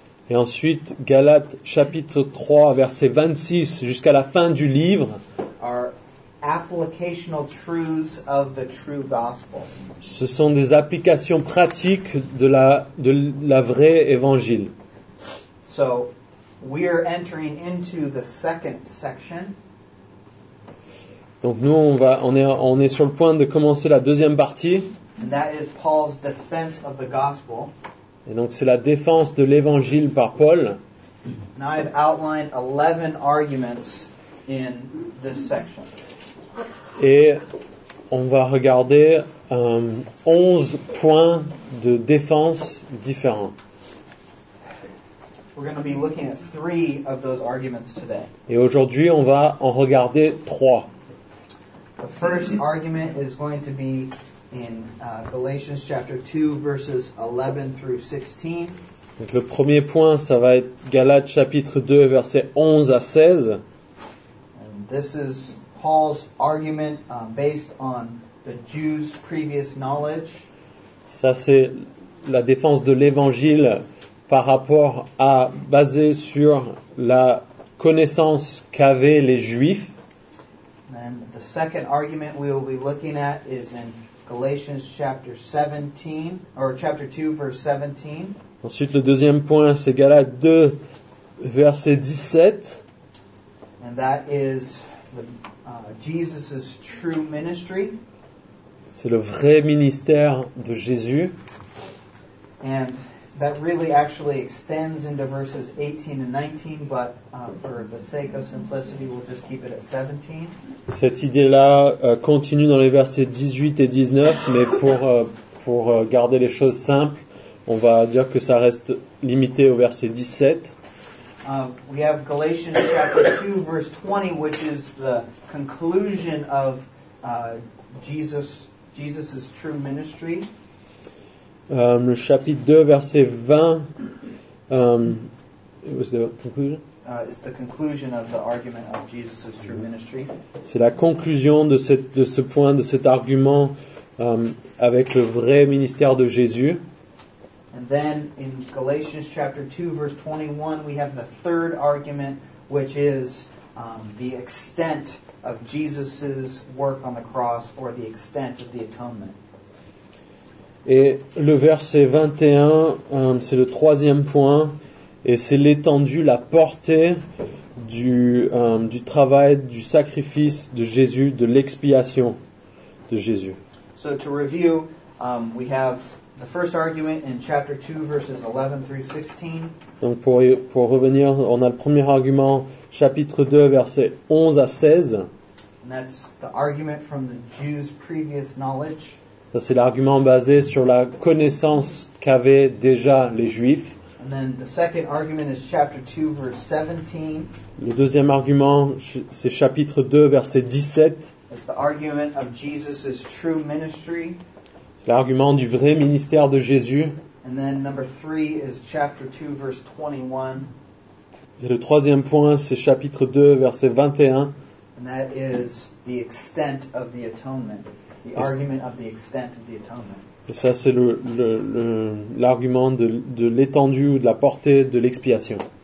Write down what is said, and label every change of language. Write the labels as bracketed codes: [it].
[fr] Et ensuite Galates chapitre 3 verset 26 jusqu'à la fin du livre. [en] Are applicational truths of the true gospel. [fr] Ce sont des applications pratiques de la vraie évangile. [en] So, we are entering into the second section. [fr] Donc nous on est sur le point de commencer la deuxième partie. [en] And that is Paul's defense of the gospel. [fr] Et donc c'est la défense de l'évangile par Paul. [en] Now I've outlined 11 arguments in this section. [fr] Et on va regarder 11 points de défense différents. [en] We're going to be looking at 3 of those arguments today. [fr] Et aujourd'hui, on va en regarder 3. [en] The first argument is going to be in Galatians chapter 2 verses 11 through 16. [fr] Donc le premier point, ça va être Galates chapitre 2 versets 11 à 16. [en] And this is Paul's argument based on the Jews' previous knowledge. [fr] Ça c'est la défense de l'évangile par rapport à basé sur la connaissance qu'avaient les Juifs. [en] And the second argument we will be looking at is in Galatians chapter 17 or chapter 2 verse 17. [fr] Ensuite le deuxième point c'est Galates 2 verset 17. [en] And that is the Jesus's true ministry. [fr] C'est le vrai ministère de Jésus. [en] And that really actually extends into verses 18 and 19, but for the sake of simplicity, we'll just keep it at 17. [fr] Cette idée-là continue dans les versets 18 et 19, mais pour garder les choses simples, on va dire que ça reste limité au verset 17. [en] We have Galatians chapter 2 verse 20, which is the conclusion of Jesus's true ministry. [fr] Le chapitre 2 verset 20, [en] what was the conclusion? is the conclusion of the argument of Jesus' true ministry. [fr] C'est la conclusion de cette de ce point de cet argument avec le vrai ministère de Jésus. [en] And then in Galatians chapter 2 verse 21 we have the third argument which is the extent of Jesus' work on the cross or the extent of the atonement. [fr] Et le verset 21, c'est le troisième point, et c'est l'étendue, la portée du travail, du sacrifice de Jésus, de l'expiation de Jésus. [en] So to review, we have the first argument in chapter 2, verses 11 through 16. [fr] Donc pour revenir, on a le premier argument, chapitre 2, versets 11 à 16. [en] And that's the argument from the Jews' previous knowledge. [fr] Ça, c'est l'argument basé sur la connaissance qu'avaient déjà les Juifs. [en] And then the second argument is chapter 2, verse 17. [fr] Le deuxième argument, c'est chapitre 2, verset 17. [en] It's the argument of Jesus's true ministry. [fr] C'est l'argument du vrai ministère de Jésus. [en] And then number 3 is chapter 2, verse 21. [fr] Et le troisième point, c'est chapitre 2, verset 21. [en] And that is the extent of the atonement. The argument of the extent of the atonement. [fr] Et ça, c'est le l'argument de l'étendue ou de la portée de l'expiation.